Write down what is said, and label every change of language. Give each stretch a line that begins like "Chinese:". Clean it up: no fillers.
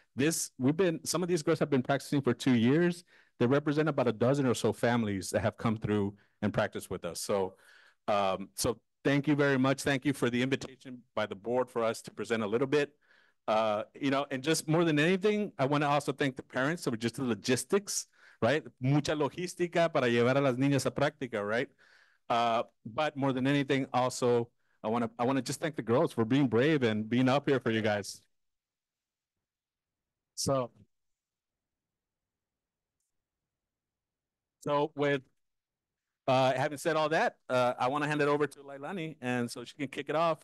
English: Some of these girls have been practicing for 2 years. They represent about a dozen or so families that have come through and practiced with us. So thank you very much. Thank you for the invitation by the board for us to present a little bit. And just more than anything, I want to also thank the parents for just the logistics, right?
Spanish: Mucha logística para llevar a las niñas a práctica, right?
English: But more than anything, also, I want to just thank the girls for being brave and being up here for you guys. So with having said all that, I want to hand it over to Leilani, and so she can kick it off.